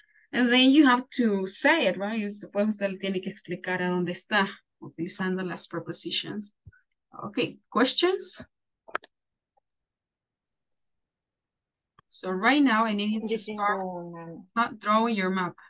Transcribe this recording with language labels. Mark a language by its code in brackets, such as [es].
[en] And then you have to say it, right? [es] Después usted tiene que explicar a dónde está, utilizando las prepositions. [en] Okay, questions? So right now I need you to start drawing your map.